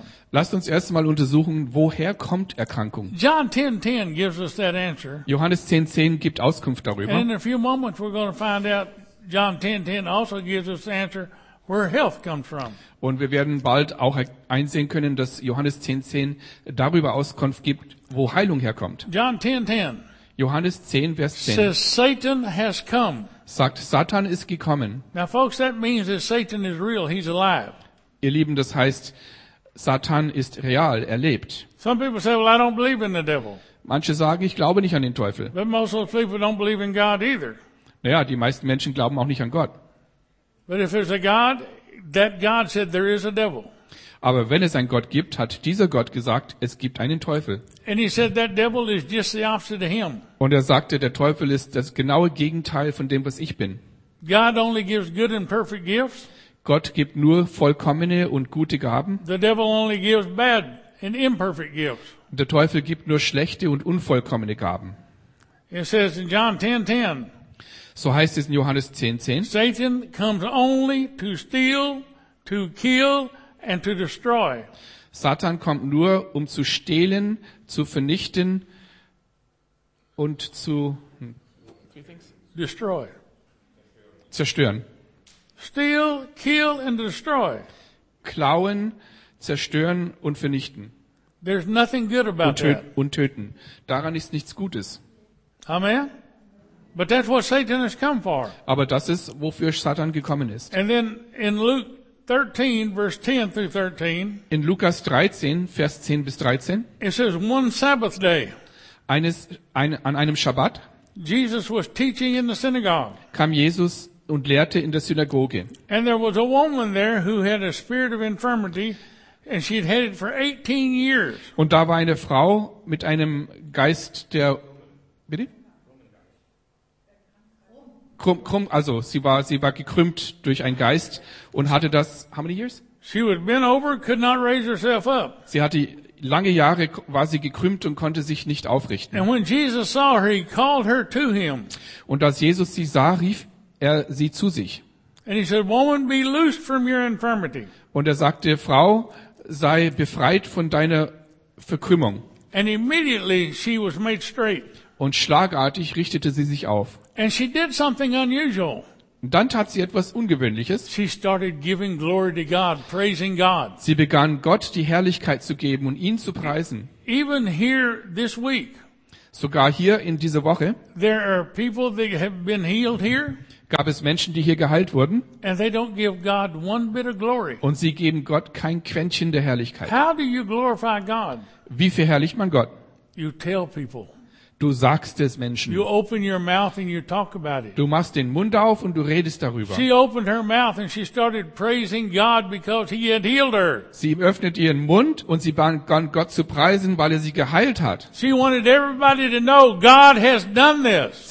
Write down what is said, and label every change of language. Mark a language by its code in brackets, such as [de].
[de] Lasst uns erst mal untersuchen, woher kommt Erkrankung? [en] John 10:10 gives us that answer. [de] Johannes 10:10 gibt Auskunft darüber. [en] And in a few moments we're going to find out John 10:10 also gives us the answer where health comes from. [de] Und wir werden bald auch einsehen können, dass Johannes 10:10 darüber Auskunft gibt, wo Heilung herkommt. [en] John 10:10. [de] Johannes 10, Vers 10. [en] Says Satan has come. [de] Sagt, Satan ist gekommen. [en] Now folks, that means that Satan is real, he's alive. [de] Ihr Lieben, das heißt, Satan ist real, er lebt. [en] Some people say, well, I don't believe in the devil. [de] Manche sagen, ich glaube nicht an den Teufel. [en] But most of those people don't believe in God either. [de] Naja, die meisten Menschen glauben auch nicht an Gott. [en] But if there's a God, that God said there is a devil. [de] Aber wenn es einen Gott gibt, hat dieser Gott gesagt, es gibt einen Teufel. [en] And he said, that devil is just the opposite of him. [de] Und er sagte, der Teufel ist das genaue Gegenteil von dem, was ich bin. [en] God only gives good and perfect gifts. [de] Gott gibt nur vollkommene und gute Gaben. [en] The devil only gives bad and imperfect gifts. [de] Der Teufel gibt nur schlechte und unvollkommene Gaben. [en] It says in John 10:10. [de] So heißt es in Johannes 10:10. [en] Satan comes only to steal, to kill, and to destroy. [de] Satan kommt nur, um zu stehlen, zu vernichten und zu [en] destroy. [de] Zerstören. [en] steal, kill and destroy. [de] Klauen, zerstören und vernichten. [en] There's nothing good about that. [de] Und töten. Daran ist nichts Gutes. [en] Amen. But that's what Satan has come for. [de] Aber das ist, wofür Satan gekommen ist. [en] And then in Luke 13, verse 10 through 13. [de] In Lukas 13, Vers 10 bis 13. [en] It says one Sabbath day. [de] An einem Schabbat. [en] Jesus was teaching in the synagogue. [de] Kam Jesus und lehrte in der Synagoge. [en] And there was a woman there who had a spirit of infirmity. And she had had it for 18 years. [de] Und da war eine Frau mit einem Geist der, bitte? Krumm, also sie war gekrümmt durch einen Geist und hatte das, [en] how many years? She was bent over, could not raise herself up. [de] Sie hatte lange Jahre, war sie gekrümmt und konnte sich nicht aufrichten. [en] And when Jesus saw her, he called her to him. [de] Und als Jesus sie sah, rief er sie zu sich. [en] And he said, woman, be loosed from your infirmity. [de] Und er sagte, Frau, sei befreit von deiner Verkrümmung. [en] And immediately she was made straight. [de] Und schlagartig richtete sie sich auf. [en] And she did something unusual. [de] Dann tat sie etwas Ungewöhnliches. [en] She started giving glory to God, praising God. [de] Sie begann, Gott die Herrlichkeit zu geben und ihn zu preisen. [en] Even here this week, [de] sogar hier in dieser Woche, [en] there are people that have been healed here. [de] Gab es Menschen, die hier geheilt wurden? [en] And they don't give God one bit of glory. [de] Und sie geben Gott kein Quäntchen der Herrlichkeit. [en] How do you glorify God? [de] Wie verherrlicht man Gott? [en] You tell people. [de] Du sagst es Menschen. [en] You open your mouth and you talk about it. [de] Du machst den Mund auf und du redest darüber. [en] She opened her mouth and she started praising God because he had healed her. [de] Sie öffnet ihren Mund und sie begann Gott zu preisen, weil er sie geheilt hat. [en] She wanted everybody to know God has done this.